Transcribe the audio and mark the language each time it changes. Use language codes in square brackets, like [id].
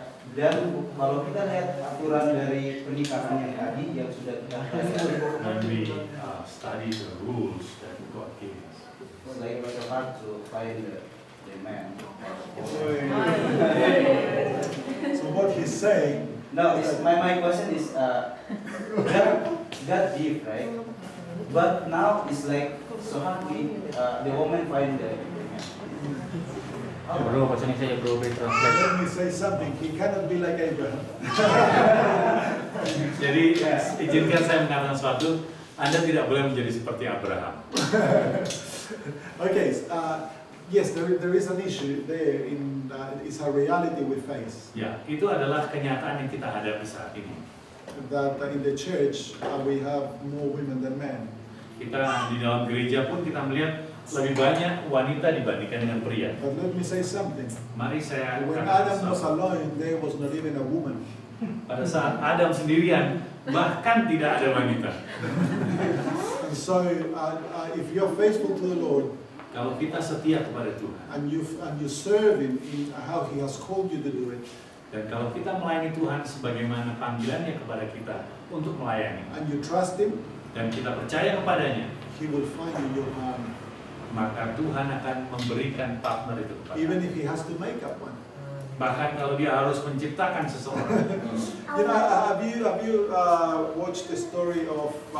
[id] Dan kalau kita lihat aturan dari pernikahan yang tadi yang sudah kita pelajari. [en] When we study the rules that God gave us. So they were hard to find the man. So what he's saying? No, my question is God give, right? But now it's like so happy the woman find the man. Bro, what's saya bro? Be translate. Let me say something. He cannot be like Abraham. [id] Jadi izinkan saya mengatakan sesuatu. Anda tidak boleh menjadi seperti Abraham. [en] Okay. Yes, there is an issue there in it's a reality we face. [id] Yeah, itu adalah kenyataan yang kita hadapi saat ini. [en] That in the church we have more women than men. [id] Kita di dalam gereja pun kita melihat lebih banyak wanita dibandingkan dengan pria. [en] But let me say something. [id] Mari saya [en] when Adam was alone, there was not even a woman. [id] Pada saat Adam sendirian, bahkan tidak ada wanita. [en] And so, if you're faithful to the Lord, [id] kalau kita setia kepada Tuhan, [en] and you serve Him in how He has called you to do it. [id] Dan kalau kita melayani Tuhan sebagaimana panggilannya kepada kita untuk melayani. [en] And you trust Him. [id] Dan kita percaya kepadanya. [en] He will find you your partner. [id] Maka Tuhan akan memberikan partner itu kepada. [en] Even if He has to make up one. [id] Bahkan kalau dia harus menciptakan seseorang. [en] You know, have you watched the story of